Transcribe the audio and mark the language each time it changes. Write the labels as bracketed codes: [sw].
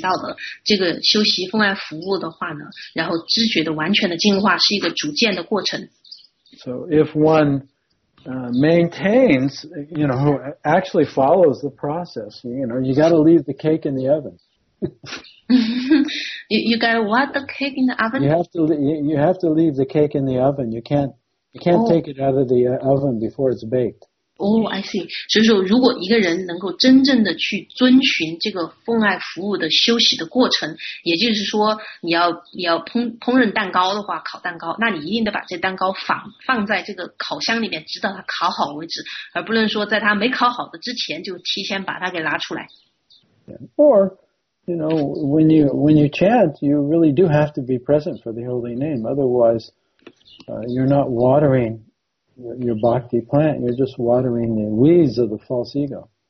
[zh] 就像我刚才讲课当中提到的，这个修习奉爱服务的话呢， 然后知觉的完全的进化是一个逐渐的过程。 [en] So if one maintains, you know, actually follows the process, you know, you got to leave the cake in the oven. you got to what, the cake in the oven? You have to leave the cake in the oven. You can't take it out of the oven before it's baked. Oh, I see. [zh] 所以说如果一个人能够真正的去遵循这个奉爱服务的休息的过程，也就是说你要烹饪蛋糕的话，烤蛋糕，那你一定得把这蛋糕放在这个烤箱里面直到它烤好为止，而不能说在它没烤好的之前就提前把它给拿出来。 [en] Or, you know, when you chant, you really do have to be present for the holy name. Otherwise, you're not watering your bhakti plant, you're just watering the weeds of the false ego.